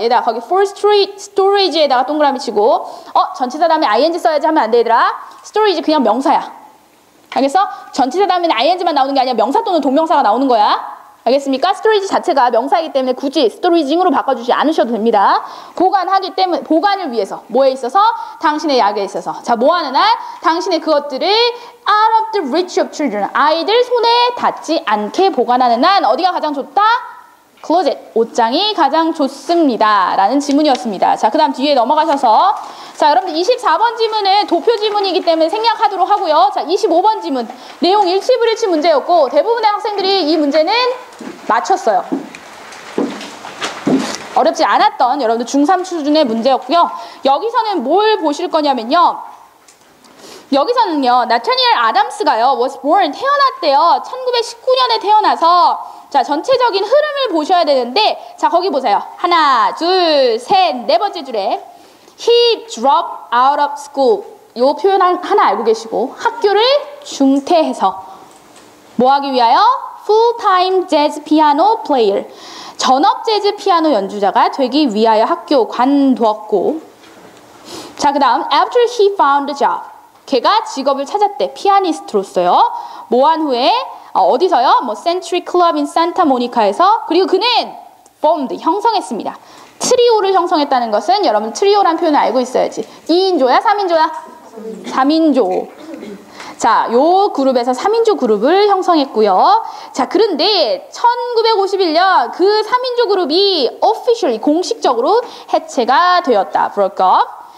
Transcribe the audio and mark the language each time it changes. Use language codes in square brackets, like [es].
[ko] 얘들아, 거기 storage에다가 동그라미 치고. 전치사 다음에 ing 써야지 하면 안 돼, 얘들아. storage 그냥 명사야. 알겠어? 전치사 다음에 ing만 나오는 게 아니라 명사 또는 동명사가 나오는 거야. 알겠습니까? storage 자체가 명사이기 때문에 굳이 storage으로 바꿔주지 않으셔도 됩니다. 보관하기 때문에, 보관을 위해서. 뭐에 있어서? 당신의 약에 있어서. 자, 뭐 하는 날? 당신의 그것들을 [en] out of the reach of children. [ko] 아이들 손에 닿지 않게 보관하는 날. 어디가 가장 좋다? closet. 옷장이 가장 좋습니다. 라는 지문이었습니다. 자, 그 다음 뒤에 넘어가셔서. 자, 여러분들 24번 지문은 도표 지문이기 때문에 생략하도록 하고요. 자, 25번 지문. 내용 일치불일치 문제였고 대부분의 학생들이 이 문제는 맞췄어요. 어렵지 않았던 여러분들 중3 수준의 문제였고요. 여기서는 뭘 보실 거냐면요. 여기서는요. 나타니엘 아담스가요. [en] was born [ko] 태어났대요. 1919년에 태어나서 자, 전체적인 흐름을 보셔야 되는데 자, 거기 보세요. 하나, 둘, 셋, 네 번째 줄에 [en] He dropped out of school. [ko] 요 표현 하나 알고 계시고 학교를 중퇴해서 뭐 하기 위하여? [en] Full-time jazz piano player. [ko] 전업 재즈 피아노 연주자가 되기 위하여 학교 관두었고 자, 그 다음 [en] After he found a job. [ko] 걔가 직업을 찾았대. 피아니스트로서요. 뭐 한 후에? 어디서요? 뭐 Century Club in Santa Monica에서 그리고 그는 formed, 형성했습니다. 트리오를 형성했다는 것은 여러분 트리오란 표현을 알고 있어야지. 2인조야? 3인조야? 3인조. 자, 요 그룹에서 3인조 그룹을 형성했고요. 자, 그런데 1951년 그 3인조 그룹이 officially, 공식적으로 해체가 되었다. broke up.